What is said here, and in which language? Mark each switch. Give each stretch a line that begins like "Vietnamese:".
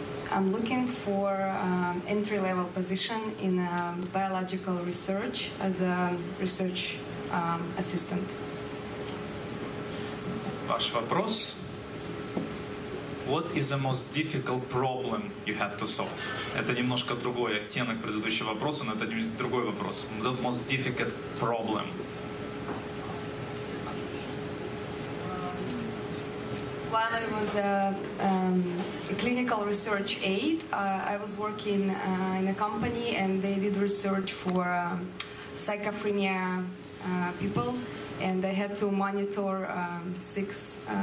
English: I'm looking for entry-level position in biological research as a research assistant.
Russian: Ваш вопрос.
English: What is the most difficult problem you had to solve?
Russian: Это немножко другой оттенок предыдущего вопроса, но это другой вопрос.
English: The most difficult problem. While I was a clinical research aide, I was working in a company and they did research for schizophrenia people, and I had to monitor six